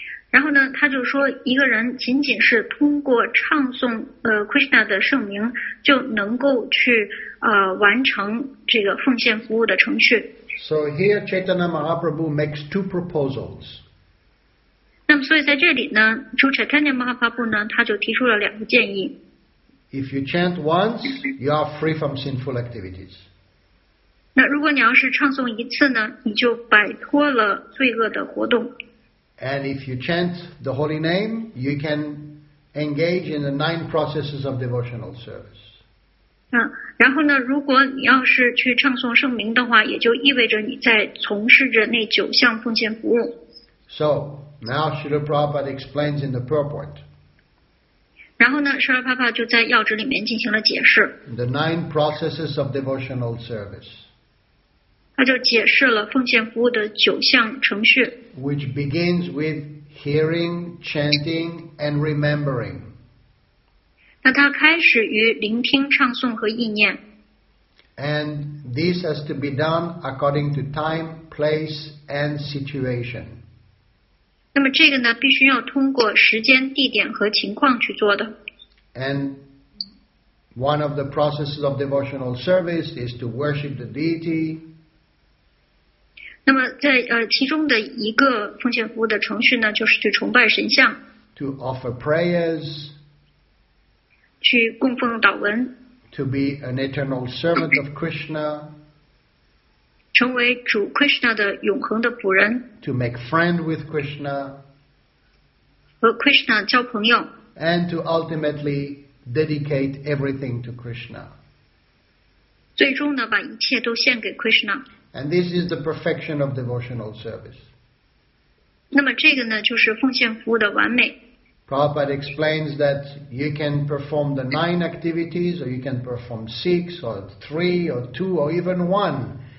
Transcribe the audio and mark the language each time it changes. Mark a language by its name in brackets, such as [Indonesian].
[Chinese] 然后呢，他就说，一个人仅仅是通过唱诵Krishna 的圣名，就能够去完成这个奉献服务的程序。 [English] So here Chaitanya Mahaprabhu makes two proposals. [Chinese] 那么，所以在这里呢，主 Chaitanya Mahaprabhu 呢，他就提出了两个建议。 [English] If you chant once, you are free from sinful activities. [Chinese] 那如果你要是唱诵一次呢，你就摆脱了罪恶的活动。 [English] And if you chant the holy name, you can engage in the nine processes of devotional service. [Chinese] 然后呢，如果你要是去唱诵圣名的话，也就意味着你在从事着那九项奉献服务。 [English] So, now Srila Prabhupada explains in the purport. [Chinese] 然后呢，Srila Prabhupada就在要旨里面进行了解释。 [English] The nine processes of devotional service. [Chinese] 他就解释了奉献服务的九项程序 [English] ，which begins with hearing, chanting, and remembering. [Chinese] 那它开始于聆听、唱诵和意念。 [English] And this has to be done according to time, place, and situation. [Chinese] 那么这个呢，必须要通过时间、地点和情况去做的。 [English] And one of the processes of devotional service is to worship the deity. [Chinese] 那么在其中的一个奉献服务的程序呢，就是去崇拜神像 [English] ，to offer prayers， [Chinese] 去供奉祷文 [English] ，to be an eternal servant of Krishna， [Chinese] 成为主 Krishna 的永恒的仆人 [English] ，to make friend with Krishna， [Chinese] 和 Krishna 交朋友 [English] ，and to ultimately dedicate everything to Krishna， [Chinese] 最终呢，把一切都献给 Krishna。 [English] And this is the perfection of devotional service. [Chinese] 那么这个呢，就是奉献服务的完美。 [English] Prabhupada explains that you can perform the nine activities, or you can perform six, or three, or two, or even one.